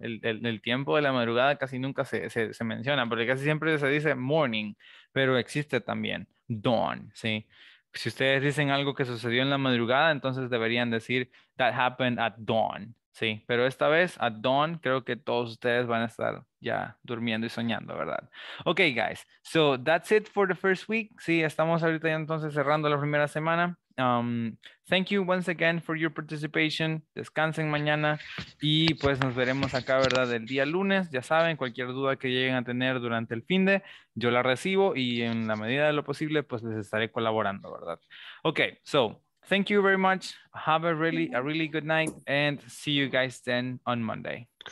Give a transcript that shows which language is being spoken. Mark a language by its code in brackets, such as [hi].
[es] El tiempo de la madrugada casi nunca se menciona, porque casi siempre se dice morning, pero existe también dawn, sí. Si ustedes dicen algo que sucedió en la madrugada, entonces deberían decir [en] that happened at dawn. [es] Sí, pero esta vez [en] at dawn [es] creo que todos ustedes van a estar ya durmiendo y soñando, ¿verdad? [en] Okay, guys, so that's it for the first week. [es] Sí, estamos ahorita ya entonces cerrando la primera semana. [en] Thank you once again for your participation. [es] Descansen mañana y pues nos veremos acá, ¿verdad? El día lunes, ya saben, cualquier duda que lleguen a tener durante el finde, yo la recibo y en la medida de lo posible pues les estaré colaborando, ¿verdad? [en] Okay, so thank you very much. Have a really good night and see you guys then on Monday.